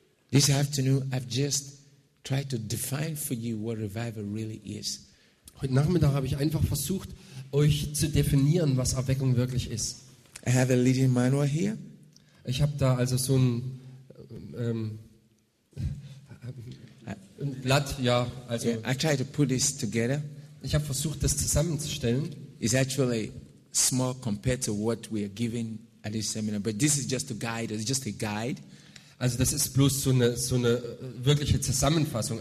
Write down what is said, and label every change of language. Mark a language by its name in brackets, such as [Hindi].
[English] This afternoon I've just tried to define for you what revival really is. [German] Heute Nachmittag habe ich einfach versucht, euch zu definieren, was Erweckung wirklich ist. [English] I have a little manual here. [German] Ich habe da also so ein Blatt, ja, also [English] I tried to put this together. [German] Ich habe versucht, das zusammenzustellen. [English] It's actually small compared to what we are giving at this seminar, but this is just a guide, it's just a guide. [German] Also das ist bloß so eine wirkliche Zusammenfassung.